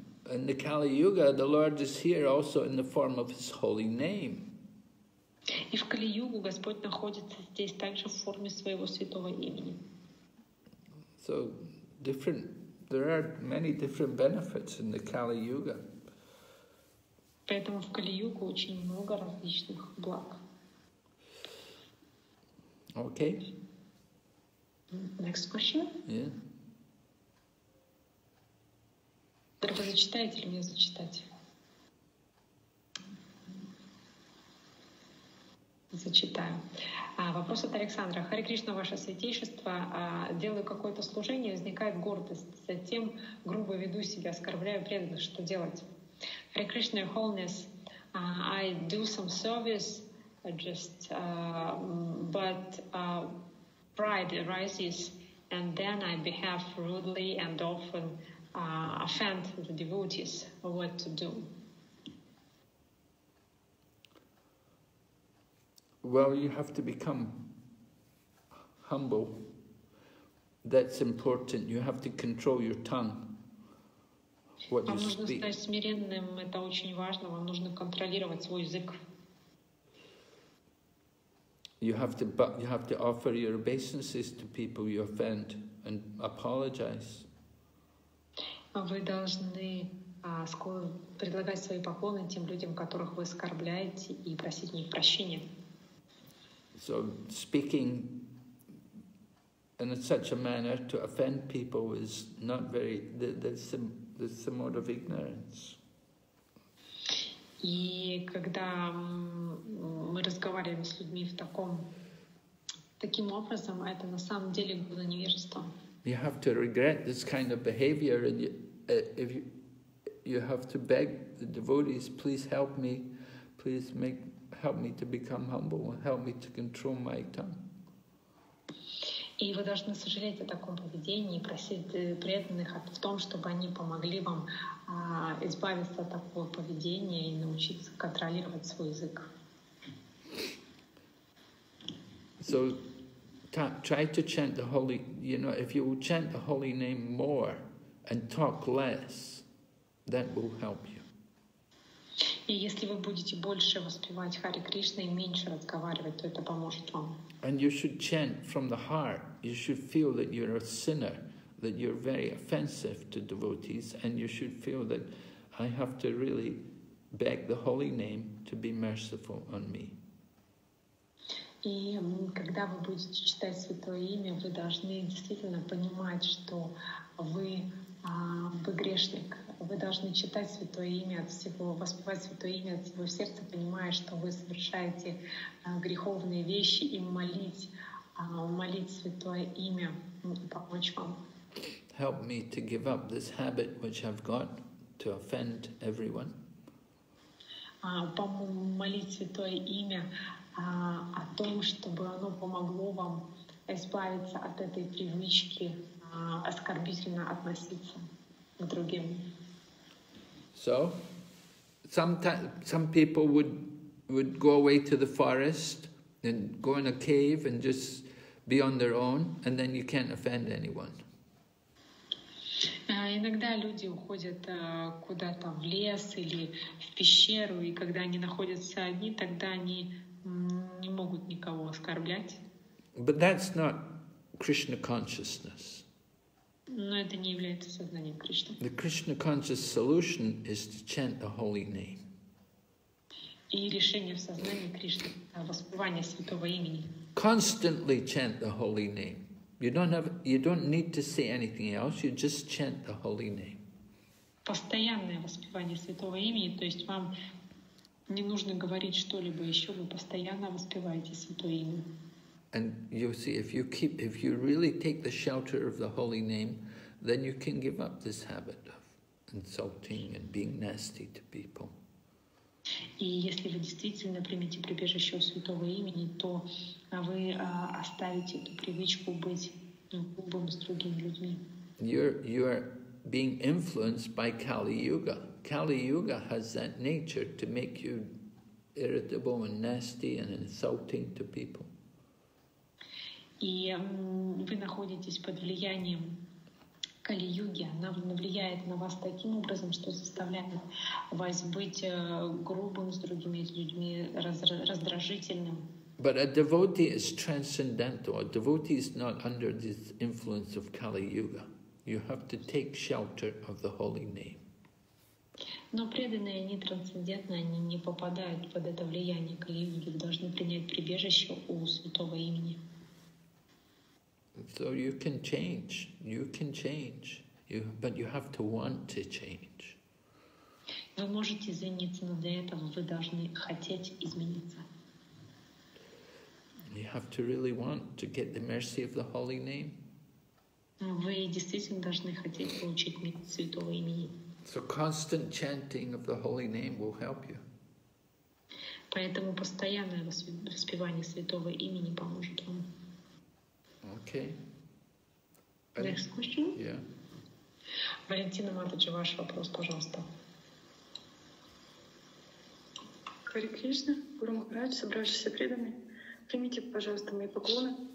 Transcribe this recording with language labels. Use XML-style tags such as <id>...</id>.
<en>In the Kali Yuga, the Lord is here also in the form of His holy name.</en> <ru>И в Кали Югу Господь находится здесь также в форме своего святого имени.</ru> <en>So different. There are many different benefits in the Kali Yuga.</en> <ru>Поэтому в Кали Югу очень много различных благ.</ru> <en>Okay. Next question. Yeah.</en> <ru>Зачитаете или мне зачитать? Зачитаю. Вопрос от Александра. Харе Кришна, ваше святейшество, делаю какое-то служение, возникает гордость. Затем грубо веду себя, оскорбляю преданных, что делать?</ru> <en>Харе Кришна, your holiness, I do some service, just, but pride arises, and then I behave rudely and often offend the devotees. What to do? Well, you have to become humble. That's important. You have to control your tongue. What you speak.</en> <ru>Вам нужно стать смиренным. Это очень важно. Вам нужно контролировать свой язык.</ru> <en>You have to offer your obeisances to people you offend and apologize.</en> <ru>Вы должны предлагать свои поклоны тем людям, которых вы оскорбляете, и просить у них прощения.</ru> <en>So speaking in such a manner to offend people is not very, that's the mode of ignorance.</en> <ru>И когда мы разговариваем с людьми в таким образом, это на самом деле было невежество.</ru> <en>You have to regret this kind of behavior, and if you have to beg the devotees, please help me, please make help me to become humble, help me to control my tongue.</en> <ru>И вы должны сожалеть о таком поведении, просить преданных в том, чтобы они помогли вам избавиться от такого поведения и научиться контролировать свой язык.</ru> <en>So try to chant the holy, you know, if you will chant the holy name more and talk less, that will help you.</en> <ru>И если вы будете больше воспевать Харе Кришна и меньше разговаривать, то это поможет вам.</ru> <en>And you should chant from the heart. You should feel that you're a sinner, that you're very offensive to devotees, and you should feel that I have to really beg the holy name to be merciful on me.</en> <ru>И когда вы будете читать Святое Имя, вы должны действительно понимать, что вы грешник. Вы должны читать Святое Имя от всего, воспевать Святое Имя от всего сердца, понимая, что вы совершаете греховные вещи, и молить Святое Имя и помочь вам.</ru> <en>Help me to give up this habit which I've got to offend everyone.</en> <ru>Молить Святое Имя о том, чтобы оно помогло вам избавиться от этой привычки оскорбительно относиться к другим.</ru> <en>So, some people would go away to the forest and go in a cave and just be on their own, and then you can't offend anyone.</en> <ru>Иногда люди уходят куда-то в лес или в пещеру, и когда они находятся одни, тогда они не могут никого оскорблять.</ru> <en>But that's not Krishna consciousness.</en> <ru>Но это не является сознанием Кришны.</ru> <en>The Krishna conscious solution is to chant the holy name.</en> <ru>И решение в сознании Кришны, воспевание святого имени.</ru> <en>Constantly chant the holy name. You don't need to say anything else. You just chant the holy name.</en> <ru>Постоянное воспевание святого имени, то есть вам не нужно говорить что-либо еще, вы постоянно воспеваете святое имя.</ru> <en>And you see, if you really take the shelter of the holy name, then you can give up this habit of insulting and being nasty to people.</en> <ru>И если вы действительно примете прибежище святого имени, то вы оставите эту привычку быть грубым с другими людьми.</ru> <en>You're being influenced by Kali Yuga. Kali Yuga has that nature to make you irritable and nasty and insulting to people.</en> <ru>И вы находитесь под влиянием Кали-юги, она влияет на вас таким образом, что заставляет вас быть грубым с другими людьми, раздражительным.</ru> <en>But a devotee is transcendental. A devotee is not under this influence of Kali-yuga. You have to take shelter of the holy name.</en> <ru>Но преданные не трансцендентны, они не попадают под это влияние Кали-юги. Вы должны принять прибежище у святого имени.</ru> <en>So you can change. You can change. But you have to want to change.</en> <ru>Вы можете измениться, но для этого вы должны хотеть измениться.</ru> <en>You have to really want to get the mercy of the holy name.</en> <ru>Вы действительно должны хотеть получить милость святого имени.</ru> <en>So constant chanting of the holy name will help you.</en> <ru>Поэтому постоянное воспевание святого имени поможет вам.</ru> <en>Okay. Next question? Yeah.</en> <ru>Валентина Матаджи, ваш вопрос, пожалуйста. Хари Кришна, Гуру Махарадж, собравшиеся преданные, примите, пожалуйста, мои поклоны.</ru>